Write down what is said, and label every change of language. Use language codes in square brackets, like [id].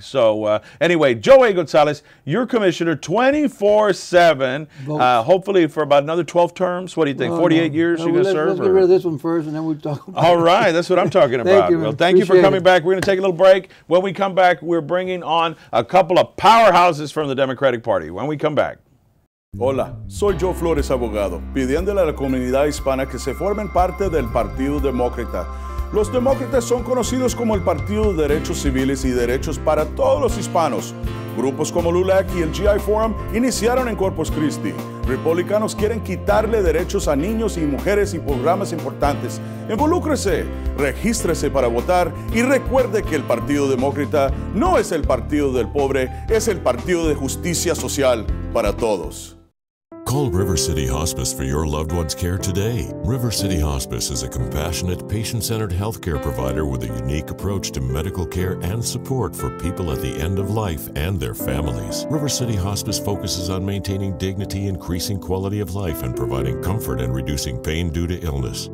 [en] So anyway, Joey Gonzalez, your commissioner, 24-7, hopefully for about another 12 terms. What do you think, 48 years you're going to serve? Let's get rid of this one first, and then we'll talk about All right, that's what I'm talking about. Thank you, well, thank you for coming back. We're going to take a little break. When we come back, we're bringing on a couple of powerhouses from the Democratic Party. When we come back. [es] Hola, soy Joe Flores, abogado, pidiéndole a la comunidad hispana que se formen parte del Partido Demócrata. Los demócratas son conocidos como el Partido de Derechos Civiles y Derechos para Todos los Hispanos. Grupos como LULAC y el GI Forum iniciaron en Corpus Christi. Republicanos quieren quitarle derechos a niños y mujeres y programas importantes. Involúcrese, regístrese para votar y recuerde que el Partido Demócrata no es el partido del pobre, es el partido de justicia social para todos. [en] Call River City Hospice for your loved one's care today. River City Hospice is a compassionate, patient-centered healthcare provider with a unique approach to medical care and support for people at the end of life and their families. River City Hospice focuses on maintaining dignity, increasing quality of life, and providing comfort and reducing pain due to illness.